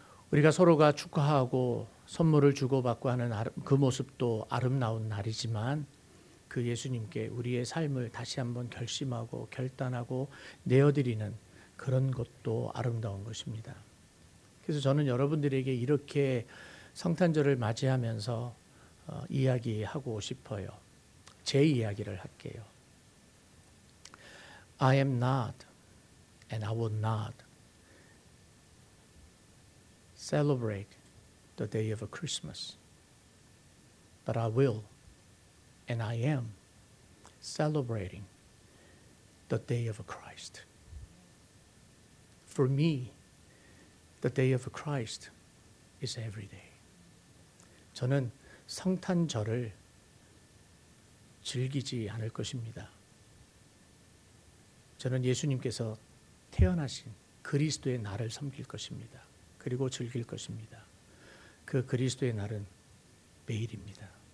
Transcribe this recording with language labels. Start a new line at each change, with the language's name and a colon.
Korean: 우리가 서로가 축하하고 선물을 주고받고 하는 그 모습도 아름다운 날이지만 그 예수님께 우리의 삶을 다시 한번 결심하고 결단하고 내어드리는 그런 것도 아름다운 것입니다. 그래서 저는 여러분들에게 이렇게 성탄절을 맞이하면서 이야기하고 싶어요. 제 이야기를 할게요.
English: I am not and I will not celebrate the day of Christmas, but I will and I am celebrating the day of Christ. For me, the day of Christ is every day.
Korean: 저는 성탄절을 즐기지 않을 것입니다. 저는 예수님께서 태어나신 그리스도의 날을 섬길 것입니다. 그리고 즐길 것입니다. 그 그리스도의 날은 매일입니다.